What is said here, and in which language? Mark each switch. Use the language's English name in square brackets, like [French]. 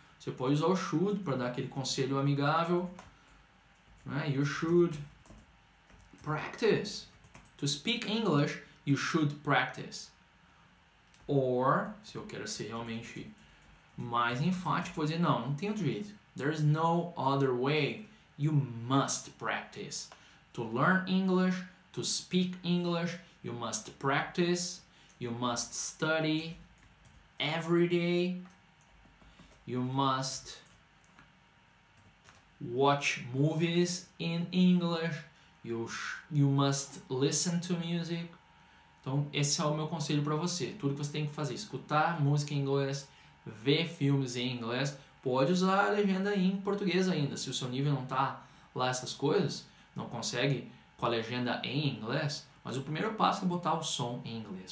[Portuguese] Você pode usar o should para dar aquele conselho amigável, né? [English] You should practice to speak English. You should practice. [Portuguese] Or, se eu quero ser realmente mais enfático, vou dizer, não tem outro jeito. [English] There is no other way. You must practice. To learn English, to speak English, you must practice, you must study every day, you must watch movies in English, you must listen to music. [Portuguese] Então, esse é o meu conselho para você. Tudo que você tem que fazer, escutar música em inglês, ver filmes em inglês, pode usar a legenda em português ainda. Se o seu nível não está lá essas coisas, não consegue com a legenda em inglês, mas o primeiro passo é botar o som em inglês.